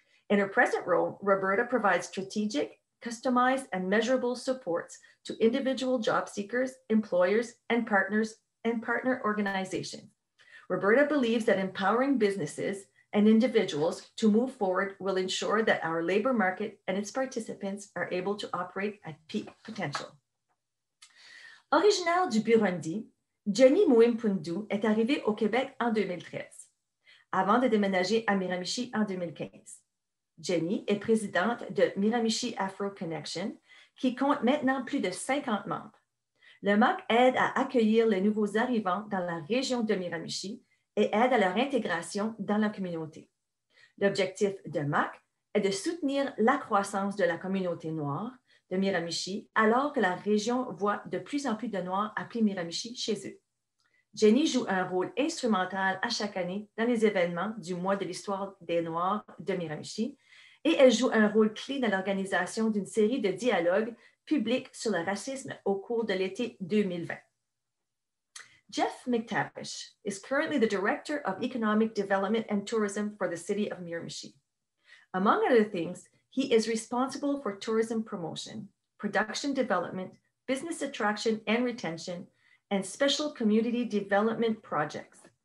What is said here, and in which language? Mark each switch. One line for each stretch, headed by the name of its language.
English: In her present role, Roberta provides strategic, customized and measurable supports to individual job seekers, employers and partners and partner organizations. Roberta believes that empowering businesses and individuals to move forward will ensure that our labor market and its participants are able to operate at peak potential.
French: Originaire du Burundi, Jenny Mouimpundu est arrivée au Québec en 2013, avant de déménager à Miramichi en 2015. Jenny est présidente de Miramichi Afro Connection, qui compte maintenant plus de 50 membres. Le MAC aide à accueillir les nouveaux arrivants dans la région de Miramichi et aide à leur intégration dans la communauté. L'objectif de MAC est de soutenir la croissance de la communauté noire de Miramichi alors que la région voit de plus en plus de Noirs appeler Miramichi chez eux. Jenny joue un rôle instrumental à chaque année dans les événements du mois de l'histoire des Noirs de Miramichi et elle joue un rôle clé dans l'organisation d'une série de dialogues publics sur le racisme au cours de l'été 2020.
English: Jeff McTavish is currently the Director of Economic Development and Tourism for the City of Miramichi. Among other things, he is responsible for tourism promotion, production development, business attraction and retention, and special community development projects.